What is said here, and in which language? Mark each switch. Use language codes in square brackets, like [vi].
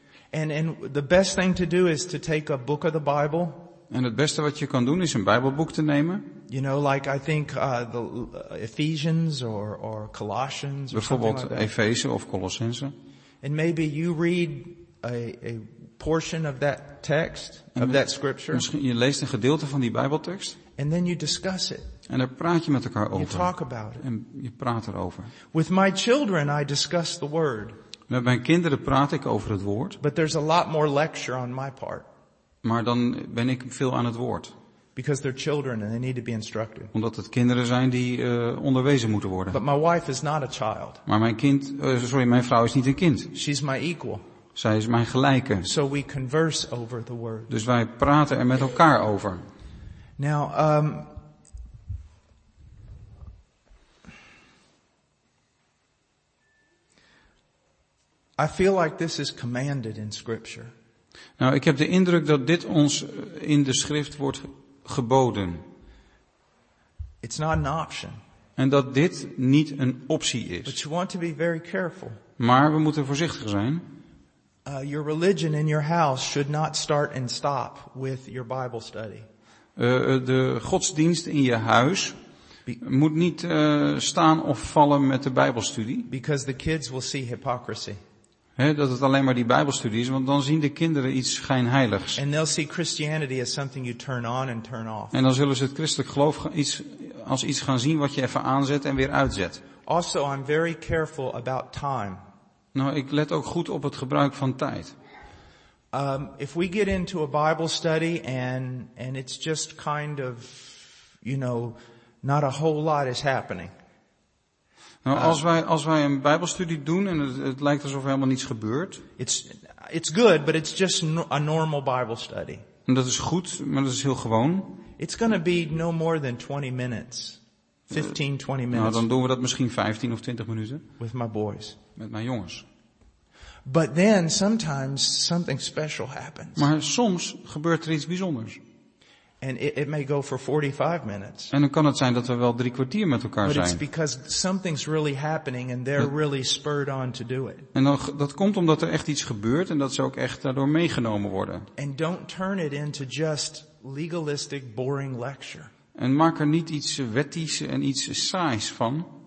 [en] And the best thing to do is to take a book of the Bible. [nl] En het beste wat je kan doen is een Bijbelboek te nemen. [en] You know, like I think the Ephesians or Colossians. [nl] Bijvoorbeeld like Efeze of Colossense. [en] And maybe you read a portion of that text of that scripture. [nl] Misschien je leest een gedeelte van die Bijbeltekst. [en] And then you discuss it. [nl] En daar praat je met elkaar over. [en] You talk about it. [nl] En je praat erover. [en] With my children, I discuss the word. [nl] Met mijn kinderen praat ik over het woord. [en] But there's a lot more lecture on my part. [nl] Maar dan ben ik veel aan het woord. [en] Because they're children and they need to be instructed. [nl] Omdat het kinderen zijn die onderwezen moeten worden. [en] But my wife is not a child. [nl] Maar mijn vrouw is niet een kind. [en] She's my equal. [nl] Zij is mijn gelijke. [en] So we converse over the word. [nl] Dus wij praten er met elkaar over. [en] Now, I feel like this is commanded in scripture. [nl] Nou, ik heb de indruk dat dit ons in de schrift wordt geboden. [en] It's not an option. [nl] En dat dit niet een optie is. [en] But you want to be very careful. [nl] Maar we moeten voorzichtig zijn. [en] Your religion in your house should not start and stop with your Bible study. [nl] De godsdienst in je huis moet niet staan of vallen met de Bijbelstudie. [en] Because the kids will see hypocrisy. [nl] He, dat het alleen maar die Bijbelstudie is, want dan zien de kinderen iets schijnheiligs. [en] And they'll see Christianity as something you turn on and turn off. [nl] En dan zullen ze het christelijk geloof als iets gaan zien wat je even aanzet en weer uitzet. [en] Also, I'm very careful about time. [nl] Nou, ik let ook goed op het gebruik van tijd. [en] If we get into a Bible study and it's just kind of, you know, not a whole lot is happening. [nl] Nou, als wij een Bijbelstudie doen en het lijkt alsof er helemaal niets gebeurt. [en] It's good, but it's just a normal Bible study. [nl] En dat is goed, maar dat is heel gewoon. [en] It's going to be no more than 20 minutes. 15, 20 minutes. [nl] Nou, dan doen we dat misschien 15 of 20 minuten. [en] With my boys. [nl] Met mijn jongens. [en] But then sometimes something special happens. [nl] Maar soms gebeurt er iets bijzonders. [en] And it may go for 45 minutes. [nl] En dan kan het zijn dat we wel drie kwartier met elkaar zijn. [en] But it's because something's really happening and they're really spurred on to do it. [nl] En dat komt omdat er echt iets gebeurt en dat ze ook echt daardoor meegenomen worden. [en] And don't turn it into just legalistic boring lecture. [nl] En maak er niet iets wetties en iets saais van.